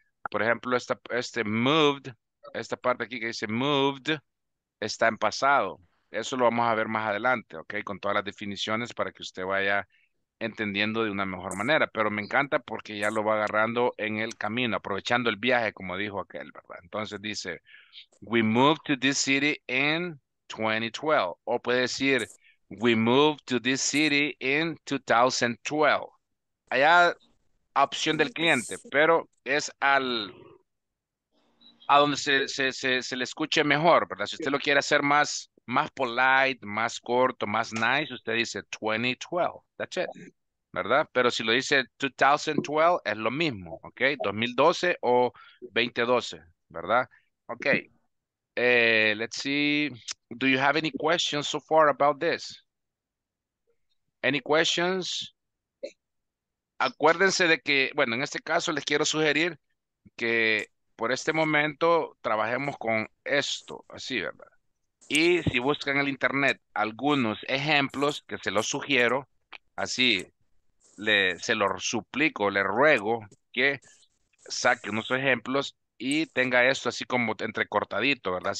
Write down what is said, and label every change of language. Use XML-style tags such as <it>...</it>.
<es>Por ejemplo, este moved, esta parte aquí que dice moved, está en pasado. Eso lo vamos a ver más adelante, ¿ok? Con todas las definiciones para que usted vaya entendiendo de una mejor manera. Pero me encanta porque ya lo va agarrando en el camino, aprovechando el viaje, como dijo aquel, ¿verdad? Entonces dice,</es> <en>we moved to this city in 2012.</en> <es>O puede decir,</es> <en>we moved to this city in 2012.</en> <es>Allá, opción del cliente, pero es a donde se le escuche mejor, ¿verdad? Si usted lo quiere hacer más polite, más corto, más nice, usted dice 2012,</es> <en>that's it,</en> <es>¿verdad? Pero si lo dice 2012, es lo mismo, ¿ok? 2012 o 2012, ¿verdad? Ok,</es> <en>Let's see. Do you have any questions so far about this? Any questions?</en> <es>Acuérdense de que, bueno, en este caso les quiero sugerir que por este momento trabajemos con esto, así, ¿verdad? Y si buscan en el internet algunos ejemplos que se los sugiero, así, se los suplico, le ruego que saque unos ejemplos y tenga esto así como entrecortadito, ¿verdad?</es>